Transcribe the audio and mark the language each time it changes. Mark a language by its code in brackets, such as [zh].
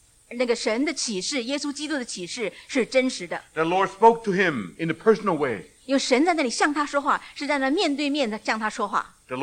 [zh] 那个神的启示，耶稣基督的启示是真实的。 [en] The Lord spoke to him in a personal way. [zh] 因为神在那里向他说话，是在那面对面的向他说话。